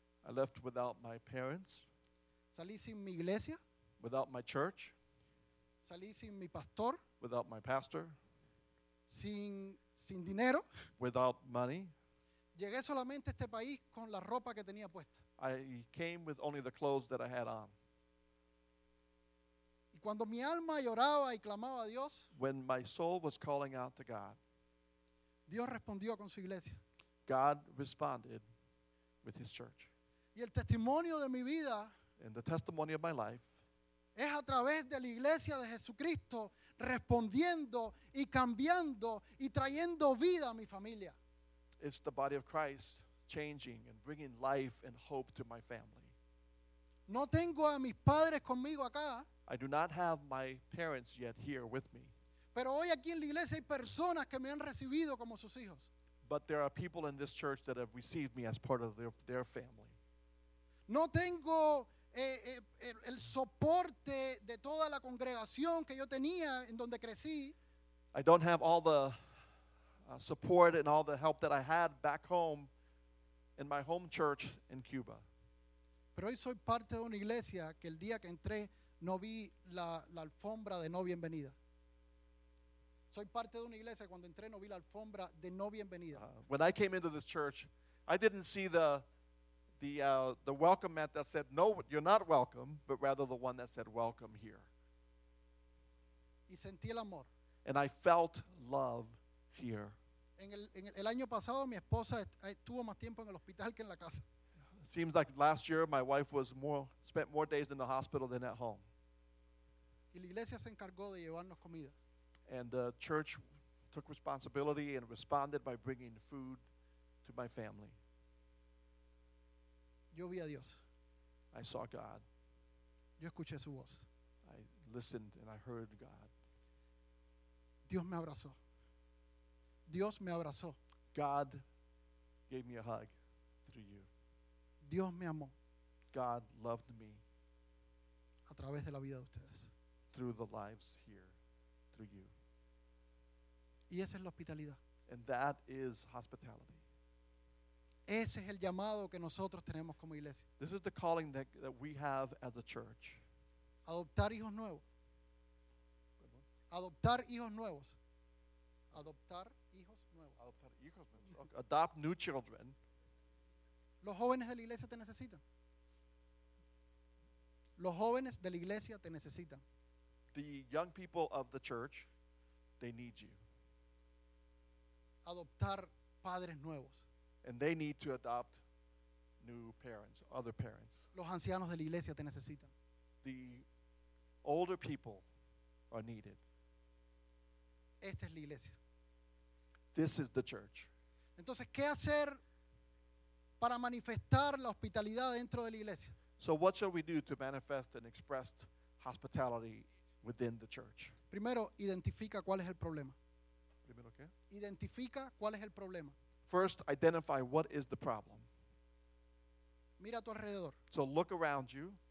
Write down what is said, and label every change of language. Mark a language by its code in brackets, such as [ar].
[en] I left without my parents. [es] Salí sin mi iglesia. [en] Without my church. [es] Salí sin mi pastor. [en] Without my pastor. [es] Sin dinero. [en] Without money. [es] Llegué solamente a este país con la ropa que tenía puesta. [en] I came with only the clothes that I had on. [es] Y cuando mi alma lloraba y clamaba a Dios, [en] when my soul was calling out to God, [es] Dios respondió con su iglesia. [en] God responded with his church. [es] Y el testimonio de mi vida, [en] and the testimony of my life, [es] es a través de la iglesia de Jesucristo respondiendo y cambiando y trayendo vida a mi familia. [en] It's the body of Christ changing and bringing life and hope to my family. [es] No tengo a mis padres conmigo acá. [en] I do not have my parents yet here with me. [es] Pero hoy aquí en la iglesia hay personas que me han recibido como sus hijos. [en] But there are people in this church that have received me as part of their family. [es] No tengo el soporte de toda la congregación que yo tenía en donde crecí. [en] I don't have all the support and all the help that I had back home in my home church in Cuba. [es] Pero hoy soy parte de una iglesia que el día que entré no vi la alfombra de no bienvenida. Soy parte de una iglesia cuando entré no vi la alfombra de no bienvenida. [en] When I came into this church, I didn't see the welcome mat that said no, you're not welcome, but rather the one that said welcome here. [es] Y sentí el amor. [en] And I felt love here. [es] el año pasado mi esposa estuvo más tiempo en el hospital que en la casa. [en] Seems like last year my wife was spent more days in the hospital than at home. [es] Y la iglesia se encargó de llevarnos comida. [en] And the church took responsibility and responded by bringing food to my family. [es] Yo vi a Dios. [en] I saw God. [es] Yo escuché su voz. [en] I listened and I heard God. [es] Dios me abrazó. Dios me abrazó. [en] God gave me a hug through you. [es] Dios me amó. [en] God loved me. [es] A través de la vida de ustedes. [en] Through the lives here, through you. [es] Y esa es la hospitalidad. [en] And that is hospitality. [es] Ese es el llamado que nosotros tenemos como iglesia. [en] This is the calling that we have as a church. [es] Adoptar hijos nuevos. Adoptar hijos nuevos. Adoptar hijos nuevos. Adoptar hijos nuevos. [en] Adopt new children. [es] Los jóvenes de la iglesia te necesitan. Los jóvenes de la iglesia te necesitan. [en] The young people of the church, they need you. [es] Adoptar padres nuevos. [en] And they need to adopt new parents, other parents. [es] Los ancianos de la iglesia te necesitan. [en] The older people are needed. [es] Esta es la iglesia. [en] This is the church. [es] Entonces, ¿qué hacer para manifestar la hospitalidad dentro de la iglesia? [en] So what shall we do to manifest and express hospitality within the church? [es] Primero, identifica cuál es el problema. Primero, ¿qué? Identifica cuál es el problema. [en] First, identify what is the problem. [es] Mira a tu alrededor. [en] So look around you.